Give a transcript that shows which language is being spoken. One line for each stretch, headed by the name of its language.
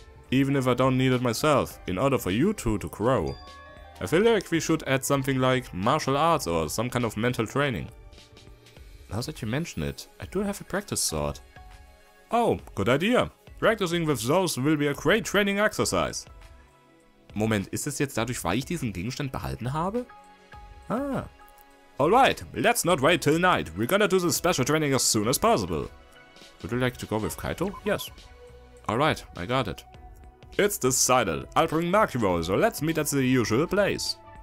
English: Even if I don't need it myself, in order for you two to grow. I feel like we should add something like martial arts or some kind of mental training. Now that you mention it, I do have a practice sword. Oh, good idea. Practicing with those will be a great training exercise.
German: Moment, ist es jetzt dadurch, weil ich diesen Gegenstand behalten habe?
English: Ah. Alright, let's not wait till night. We're gonna do the special training as soon as possible. Would you like to go with Kaito? Yes. Alright, I got it. It's decided. I'll bring Makiro, so let's meet at the usual place.